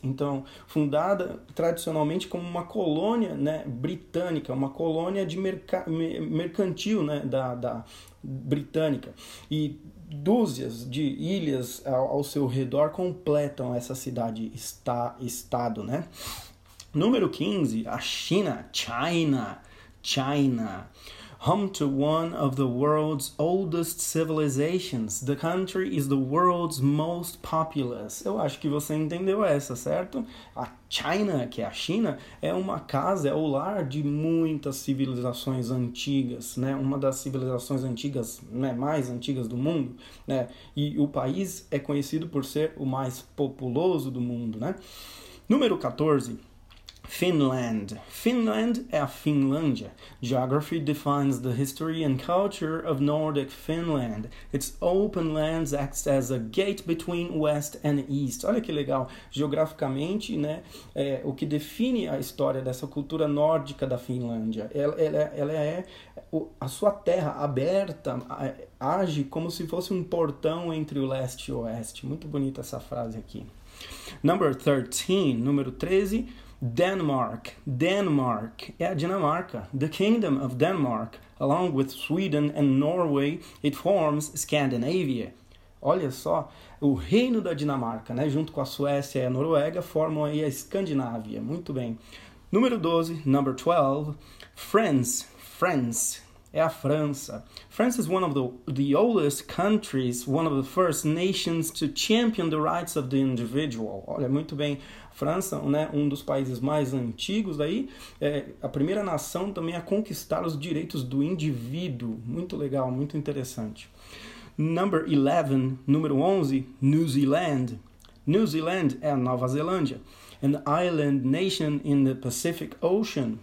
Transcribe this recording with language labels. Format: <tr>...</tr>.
<pt>Então, fundada tradicionalmente como uma colônia, né, britânica, uma colônia de mercantil, né, da britânica. E dúzias de ilhas ao seu redor completam essa cidade-estado, né? Número 15, a China, China, China.</pt> <en>Home to one of the world's oldest civilizations, the country is the world's most populous.</en> <pt>Eu acho que você entendeu essa, certo? A China, que é a China, é uma casa, é o lar de muitas civilizações antigas, né? Uma das civilizações antigas, né, mais antigas do mundo, né? E o país é conhecido por ser o mais populoso do mundo, né? Número 14. Finland. Finland é a Finlândia.</pt> <en>Geography defines the history and culture of Nordic Finland. Its open lands acts as a gate between West and East.</en> <pt>Olha que legal. Geograficamente, né, é o que define a história dessa cultura nórdica da Finlândia. Ela é a sua terra aberta, age como se fosse um portão entre o leste e o oeste. Muito bonita essa frase aqui. Number 13, número 13.</pt> <en>Denmark, Denmark,</en> <pt>é a Dinamarca,</pt> <en>the Kingdom of Denmark, along with Sweden and Norway, it forms Scandinavia.</en> <pt>Olha só, o Reino da Dinamarca, né, junto com a Suécia e a Noruega, formam aí a Escandinávia. Muito bem. Número 12, number 12, France, France, é a França.</pt> <en>France is one of the oldest countries, one of the first nations to champion the rights of the individual.</en> <pt>Olha, muito bem. França, né, um dos países mais antigos aí, é a primeira nação também a conquistar os direitos do indivíduo. Muito legal, muito interessante. Number 11, número 11, New Zealand.</pt> <en>New Zealand</en> <pt>é a Nova Zelândia.</pt> <en>An island nation in the Pacific Ocean.</en>